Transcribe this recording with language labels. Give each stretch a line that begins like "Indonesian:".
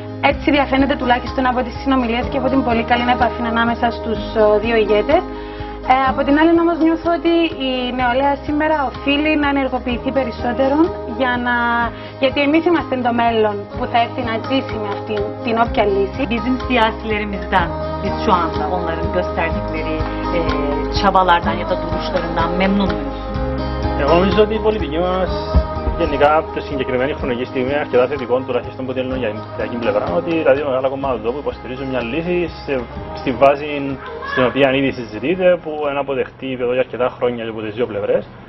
Greek: Έτσι διαφαίνεται τουλάχιστον από τις συνομιλίες και από την πολύ καλή επαφή ανάμεσα στους δύο ηγέτες. Από την άλλη όμως νιώθω ότι η νεολαία σήμερα οφείλει να ενεργοποιηθεί περισσότερο γιατί εμείς είμαστε το μέλλον που θα έρθει να ζήσει με αυτήν την όποια λύση.
Turkish: Bizim siyasilerimizden, biz şu anda onların gösterdikleri çabalardan ya da duruşlarından memnun muyuz?
Greek: Νομίζω ότι η πολιτική μας γενικά από τη συγκεκριμένη χρονική στιγμή είναι αρκετά θετικό τουλάχιστον που θέλουν για την πλευρά ότι δηλαδή ο μεγάλο κομμάτι εδώ που υποστηρίζουν μια λύση στη βάση στην οποία ήδη συζητείται που είναι αποδεχτή εδώ για αρκετά χρόνια από τις δύο πλευρές